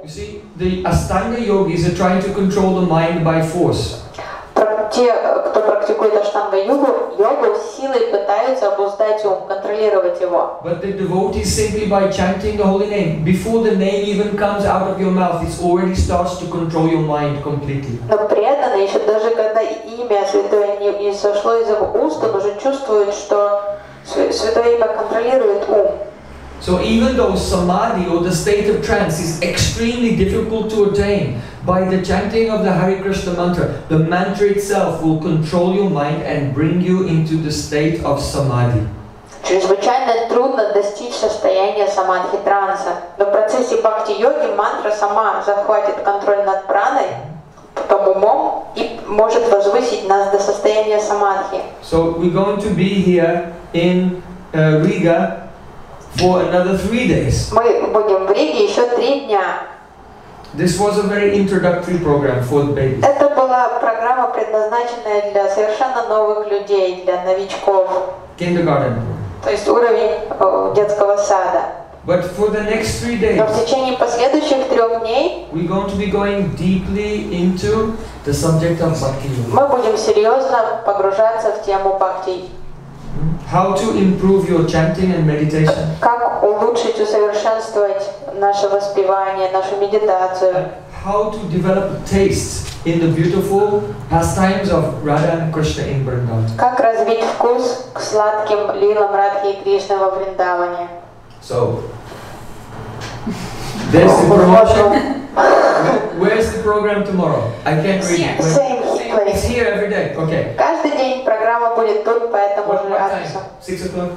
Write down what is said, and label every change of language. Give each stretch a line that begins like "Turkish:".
English: You see, the Ashtanga yogis are trying to control the mind by force.
Russian: Те, кто практикует Ashtanga йогу, силой пытаются обуздать ум, контролировать его.
English: But the devotee simply by chanting the holy name, before the name even comes out of your mouth, it already starts to control your mind completely.
Russian: Но преданный еще даже когда имя святое не сошло из его уст, он уже чувствует, что святое имя контролирует ум.
English: So even though samadhi or the state of trance is extremely difficult to attain, by the chanting of the Hare Krishna mantra, the mantra itself will control your mind and bring you into the state of samadhi.
Russian: Чрезвычайно состояние самадхи транса. Но в процессе бхакти-йоги мантра сама захватит контроль над праной, потом умом, и может возвысить нас до состояния самадхи.
English: So we're going to be here in Riga for another 3 days.
Russian: Мы будем в Риге еще 3 дня.
English: This was a very introductory program for the babies.
Russian: Это была программа, предназначенная для совершенно новых людей, для новичков.
English: Kindergarten.
Russian: То есть уровень детского сада.
English: But for the next 3 days.
Russian: Но в течение последующих 3 дней.
English: We're going to be going deeply into the subject of bhakti.
Russian: Мы будем серьезно погружаться в тему бхакти.
English: How to improve your chanting and meditation?
Russian: Как улучшить, усовершенствовать наше воспевание, нашу медитацию?
English: How to develop taste in the beautiful pastimes of Radha and Krishna in Vrindavan?
Russian: Как развить вкус к сладким лилам Радхи и Кришны во Вриндаване?
English: So, there's the promotion. Where's the program tomorrow? I can't read it. It's here every day. Okay.
Russian: Каждый день программа будет тут, поэтому же